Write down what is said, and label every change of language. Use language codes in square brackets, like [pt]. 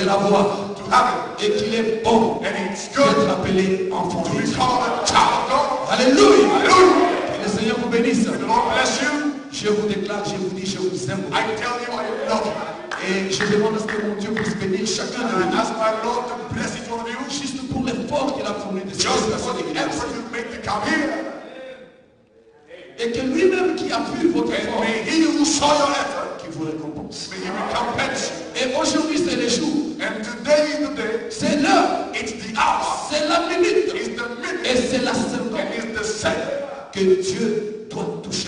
[fr] de l'avoir. [en] To have it. [fr] Et qu'il est bon. [en] And it's good [fr] d'être appelé enfant. [en] To be called a child of God. [fr] Alléluia. Alléluia. Que le Seigneur vous bénisse. [en] And the Lord bless you. [fr] Je vous déclare, je vous dis, je vous aime. [en] I tell you I love you. [fr] Et je demande à ce que mon Dieu puisse bénir chacun de [en] Ask my Lord to bless each one of you. [fr] Juste pour l'effort qu'il a fourni de ces personnes qui viennent. [en] Just for the effort you've made to come here. [fr] Et que lui-même qui a vu votre effort. [en] May he who saw your effort. [fr] Qui vous récompense. [en] May he recompense you. [fr] Et aujourd'hui c'est le jour. [en] And today is the day. [fr] C'est l'heure. [en] It's the hour. [fr] C'est la minute. [en] It's the minute. [fr] Et c'est la seconde. [en] And it's the second. [fr] Que Dieu doit toucher.